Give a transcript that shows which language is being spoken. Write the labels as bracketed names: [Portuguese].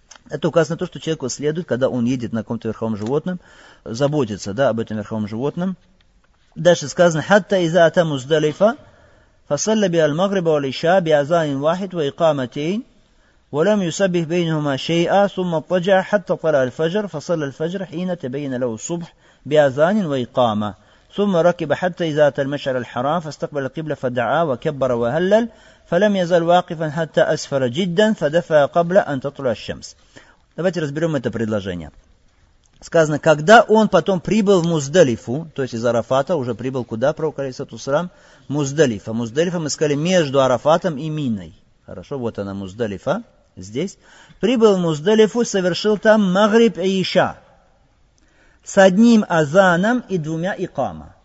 [Russian] Это указано на то, что человеку следует, когда он едет на каком-то верховом животном, заботиться, да, об этом верховом животном. Дальше сказано: [Arabic] «Хатта иза ата муздалифа, фасалля би аль-магриба валиша би азанин вахид ва икаматейн, валям юсабих бейнхума шей'а, сумма таджа хатта тала аль-фаджр, фасалля аль-фаджр хина табайна лаву субх би азанин ва икама». ثم ركب حتى إذا أتى المشعر الحرام فاستقبل القبلة فدعا وكبر وهلل فلم يزل واقفا حتى أسفر جدا فدفع قبل أن تطلع الشمس. [Russian] Давайте разберем это предложение. Сказано, когда он потом прибыл в Муздалифу, то есть из Арафата, уже прибыл куда, пророк алейхиссалату вассалям? Муздалифа. Муздалифа, мы сказали, между Арафатом и Миной. Хорошо, вот она Муздалифа, здесь. Прибыл в Муздалифу, совершил там Магриб и Иша. С одним азаном и двумя икама.